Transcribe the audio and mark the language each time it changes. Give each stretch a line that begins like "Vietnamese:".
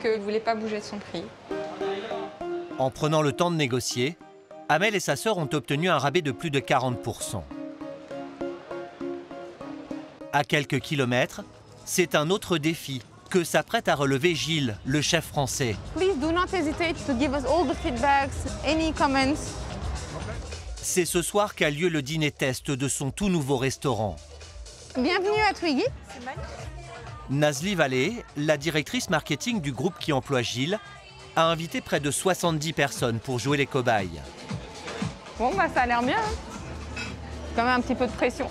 French: Qu'il ne voulait pas bouger de son prix. En prenant le temps de négocier, Amel et sa sœur ont obtenu un rabais de plus de 40%. À quelques kilomètres, c'est un autre défi que s'apprête à relever Gilles, le chef français.
English: Please do not hesitate to give us all the feedbacks, any comments.
French: C'est ce soir qu'a lieu le dîner test de son tout nouveau restaurant. Bienvenue à Twiggy. Nazli Vallée, la directrice marketing du groupe qui emploie Gilles, a invité près de 70 personnes pour jouer les cobayes. Bon, bah, ça a l'air bien. Quand même un petit peu de pression.